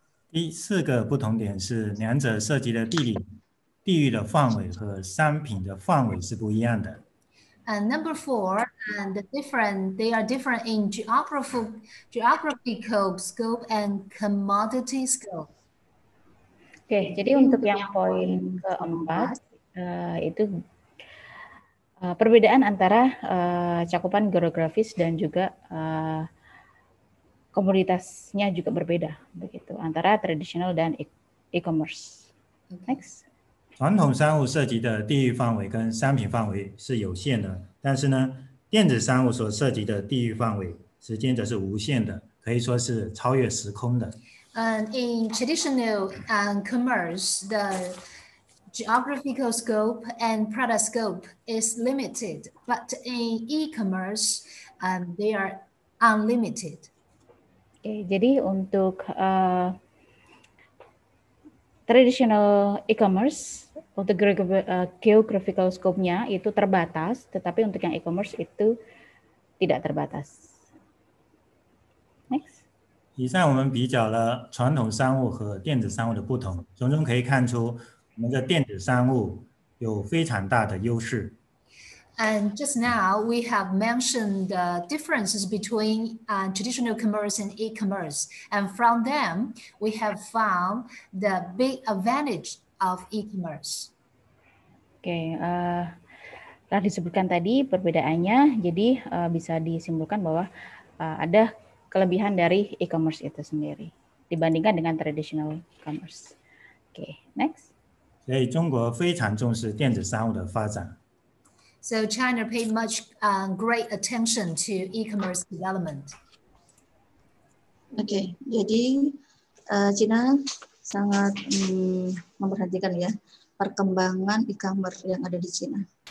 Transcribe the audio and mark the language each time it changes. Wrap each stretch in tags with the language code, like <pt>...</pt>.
<zh>第四个不同点是两者涉及的地域的范围和商品的范围是不一样的。</zh> <en>And number four, and they are different in geographical scope and commodity scope.</en> <id>Okay, jadi untuk yang poin keempat itu perbedaan antara cakupan geografis dan juga komoditasnya juga berbeda begitu antara tradisional dan e-commerce. Next.</id> <zh>传统商务涉及的地域范围跟商品范围是有限的，但是呢，电子商务所涉及的地域范围时间则是无限的，可以说是超越时空的。</zh> <en>In traditional commerce, the geographical scope and product scope is limited, but in e-commerce, they are unlimited.</en> <id>Okay, jadi untuk traditional e-commerce, untuk geographical scope-nya itu terbatas, tetapi untuk yang e-commerce itu tidak terbatas. Next.</id> <zh>以上我们比较了传统商务和电子商务的不同，从中可以看出我们的电子商务有非常大的优势。</zh> <en>And just now we have mentioned the differences between traditional commerce and e-commerce, and from them we have found the big advantage of e-commerce.</en> <id>Okay, telah disebutkan tadi perbedaannya, jadi bisa disimpulkan bahwa ada kelebihan dari e-commerce itu sendiri dibandingkan dengan traditional commerce.</id> <en>Okay, next.</en> <zh>所以中国非常重视电子商务的发展。</zh> <en>So China paid much great attention to e-commerce development.</en> <id>Okay, jadi China sangat memperhatikan ya perkembangan e-commerce yang ada di China.</id>